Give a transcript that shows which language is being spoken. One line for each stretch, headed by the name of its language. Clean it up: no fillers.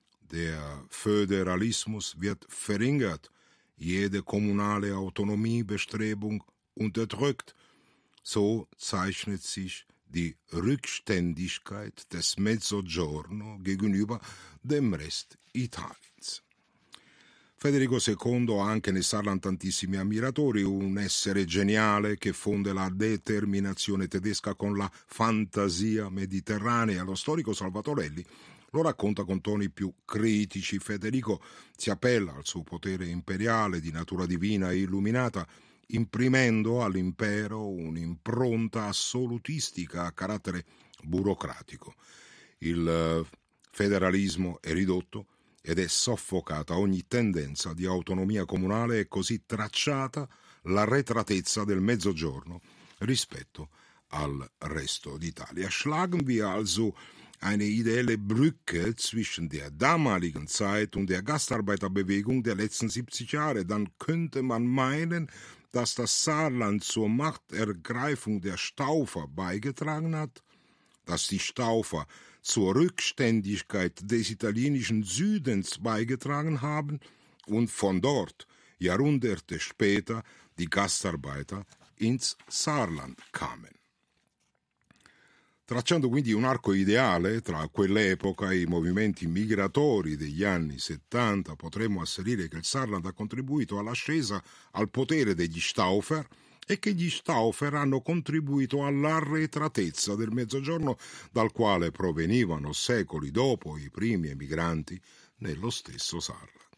German: Der Föderalismus wird verringert, jede kommunale Autonomiebestrebung unterdrückt. So zeichnet sich die Rückständigkeit des Mezzogiorno gegenüber dem Rest Italiens.
Italian: Federico II ha anche nel Saarland tantissimi ammiratori, un essere geniale che fonde la determinazione tedesca con la fantasia mediterranea. Lo storico Salvatorelli lo racconta con toni più critici. Federico si appella al suo potere imperiale di natura divina e illuminata, imprimendo all'impero un'impronta assolutistica a carattere burocratico. Il federalismo è ridotto ed è soffocata ogni tendenza di autonomia comunale, e così tracciata l'arretratezza del Mezzogiorno rispetto al resto d'Italia.
German: Schlagen wir also eine ideelle Brücke zwischen der damaligen Zeit und der Gastarbeiterbewegung der letzten 70 Jahre, dann könnte man meinen, dass das Saarland zur Machtergreifung der Staufer beigetragen hat, dass die Staufer zur Rückständigkeit des italienischen Südens beigetragen haben und von dort Jahrhunderte später die Gastarbeiter ins Saarland kamen.
Italian: Tracciando quindi un arco ideale tra quell'epoca e i movimenti migratori degli anni 70, potremmo asserire che il Saarland ha contribuito all'ascesa al potere degli Staufer e che gli Staufer hanno contribuito all'arretratezza del Mezzogiorno, dal quale provenivano secoli dopo i primi emigranti nello stesso Saarland.